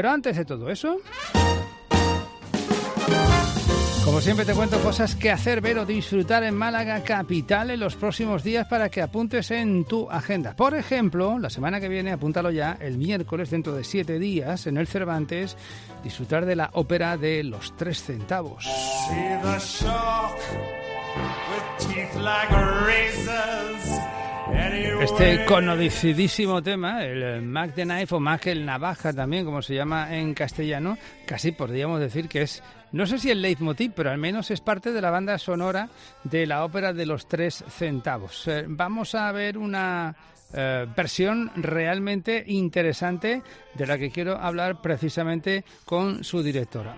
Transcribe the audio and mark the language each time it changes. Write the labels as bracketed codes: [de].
[es] Pero antes de todo eso, como siempre, te cuento cosas que hacer, ver o disfrutar en Málaga capital en los próximos días para que apuntes en tu agenda. Por ejemplo, la semana que viene, apúntalo ya, el miércoles, dentro de 7 días, en el Cervantes, disfrutar de la ópera de Los Tres Centavos. [en] See the shark with teeth like razors. [es] Este conocidísimo tema, el Mac the Knife, o Mac el Navaja también, como se llama en castellano, casi podríamos decir que es, no sé si el leitmotiv, pero al menos es parte de la banda sonora de la ópera de Los Tres Centavos. Vamos a ver una versión realmente interesante, de la que quiero hablar precisamente con su directora.